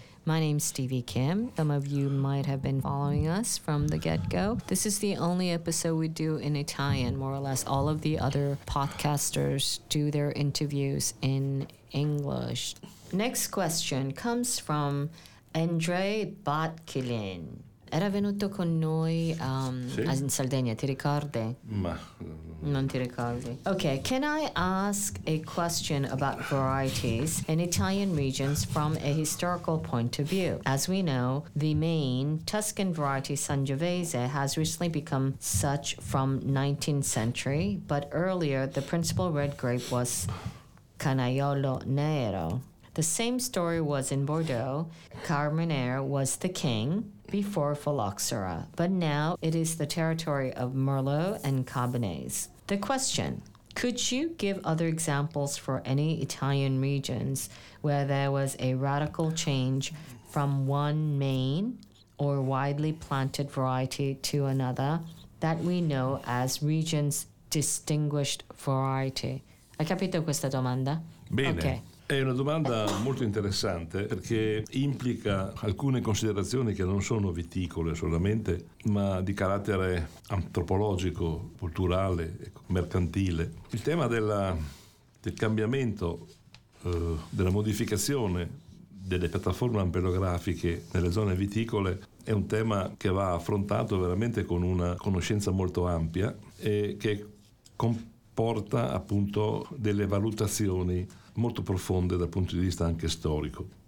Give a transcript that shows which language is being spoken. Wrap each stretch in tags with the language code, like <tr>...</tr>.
<en>My name's Stevie Kim. Some of you might have been following us from the get-go. This is the only episode we do in Italian, more or less. All of the other podcasters do their interviews in English. Next question comes from Andrey Batkilin.</en> <it>Era venuto con noi in Sardegna, ti ricordi? Ma... Non ti ricordi.</it> <en>Okay, can I ask a question about varieties in Italian regions from a historical point of view? As we know, the main Tuscan variety Sangiovese has recently become such from 19th century, but earlier the principal red grape was Canaiolo Nero. The same story was in Bordeaux. Carmenere was the king before Phylloxera, but now it is the territory of Merlot and Cabernet. The question, could you give other examples for any Italian regions where there was a radical change from one main or widely planted variety to another that we know as region's distinguished variety?</en> <it>Hai capito questa domanda? Bene. Okay. È una domanda molto interessante perché implica alcune considerazioni che non sono viticole solamente, ma di carattere antropologico, culturale, mercantile. Il tema del cambiamento, della modificazione delle piattaforme ampelografiche nelle zone viticole è un tema che va affrontato veramente con una conoscenza molto ampia e che comporta appunto delle valutazioni molto profonde dal punto di vista anche storico.</it>